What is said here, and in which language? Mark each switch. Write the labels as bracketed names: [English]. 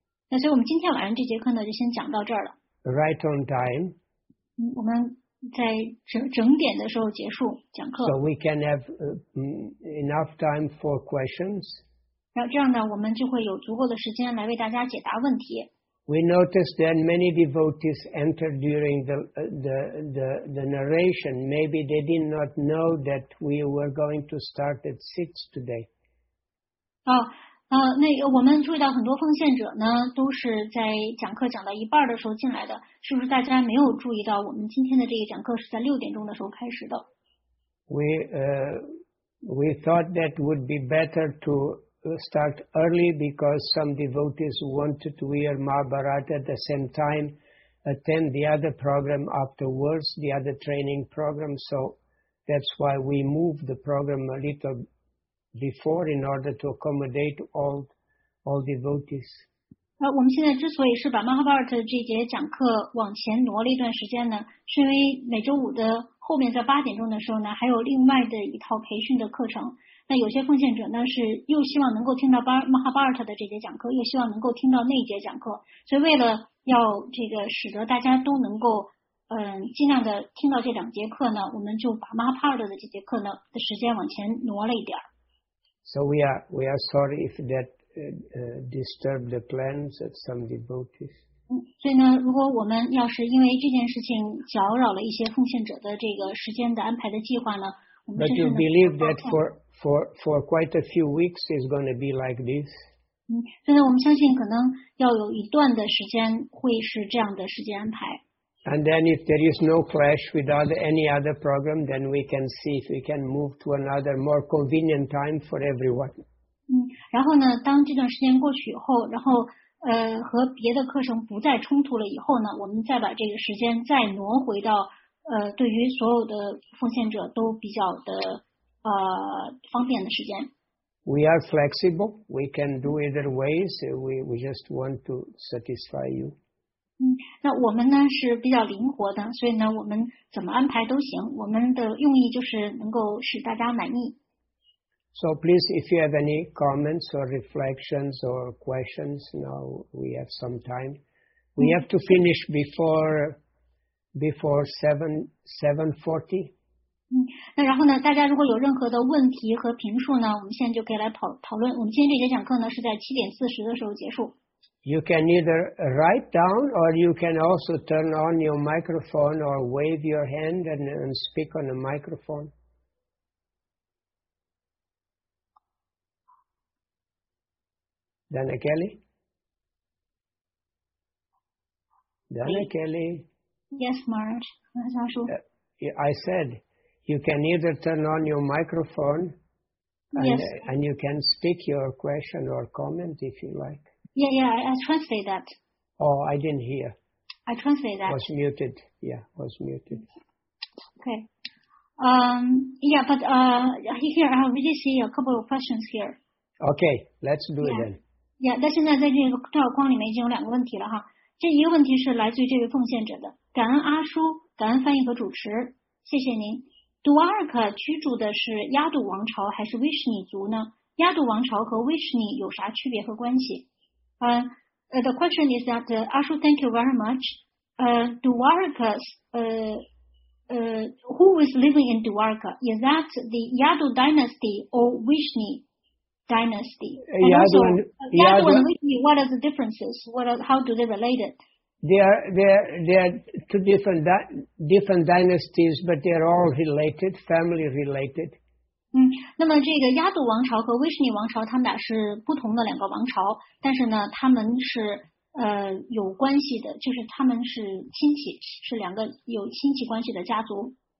[Chinese] 那所以我们今天晚上这节课呢就先讲到这儿了。 [English] Right on time. [Chinese] 我们在整点的时候结束讲课。 [English] So we can have enough time for questions. [Chinese] 然后这样呢，我们就会有足够的时间来为大家解答问题。 [English] We noticed that many devotees entered during the narration. Maybe they did not know that we were going to start at 6 today. [Chinese] 那个我们注意到很多奉献者呢，都是在讲课讲到一半的时候进来的，是不是大家没有注意到我们今天的这个讲课是在六点钟的时候开始的 [English] ？We thought that would be better to start early because some devotees wanted to hear Mahabharata at the same time, attend the other program afterwards, the other training program. So that's why we moved the program a little bit. Before, in order to accommodate all devotees. [Chinese] 我们现在之所以是把 Mahabharata 这节讲课往前挪了一段时间呢，是因为每周五的后面在八点钟的时候呢，还有另外的一套培训的课程。那有些奉献者呢，是又希望能够听到 Mahabharata 的这节讲课，又希望能够听到那节讲课。所以为了要这个使得大家都能够尽量的听到这两节课呢，我们就把 Mahabharata 的这节课呢的时间往前挪了一点儿。 [English] So we are sorry if that disturbed the plans of some devotees. [Chinese] 所以呢，如果我们要是因为这件事情搅扰了一些奉献者的这个时间的安排的计划呢， [English] But you believe that for quite a few weeks is going to be like this? [Chinese] 所以呢，我们相信可能要有一段的时间会是这样的时间安排。 [English] And then if there is no clash with any other program, then we can see if we can move to another more convenient time for everyone. [Chinese] 然后呢，当这段时间过去以后，然后和别的课程不再冲突了以后呢，我们再把这个时间再挪回到对于所有的奉献者都比较的方便的时间。 [English] We are flexible. We can do either ways. We just want to satisfy you. [Chinese] 那我们呢是比较灵活的，所以呢我们怎么安排都行，我们的用意就是能够使大家满意。 [English] So please, if you have any comments or reflections or questions, now we have some time. We have to finish before 7:40. [Chinese] 那然后呢，大家如果有任何的问题和评述呢，我们现在就可以来讨论。我们今天这节讲课呢是在7:40的时候结束。 [English] You can either write down or you can also turn on your microphone or wave your hand and speak on the microphone. Dana Kelly? Dana Kelly? Yes, Maharaj. I said you can either turn on your microphone and you can speak your question or comment if you like. Yeah, I translate that. Oh, I didn't hear. I translate that. Was muted. Yeah, was muted. Okay. Here I really see a couple of questions here. Okay, let's do it then. [Chinese] Yeah, 但现在在这个照光里面已经有两个问题了哈。这一个问题是来自于这位奉献者的，感恩阿叔，感恩翻译和主持，谢谢您。 Dwarka 居住的是亚杜王朝还是威士尼族呢？亚杜王朝和威士尼有啥区别和关系？ [English] The question is that Ashu, thank you very much. Dwarka's, who is living in Dwarka? Is that the Yadu dynasty or Vishnu dynasty? Yadu and Vishnu, what are the differences? How do they relate it? They are two different dynasties, but they are all related, family related. [Chinese] 那么这个亚杜王朝和威士尼王朝，他们俩是不同的两个王朝，但是呢，他们是有关系的，就是他们是亲戚，是两个有亲戚关系的家族。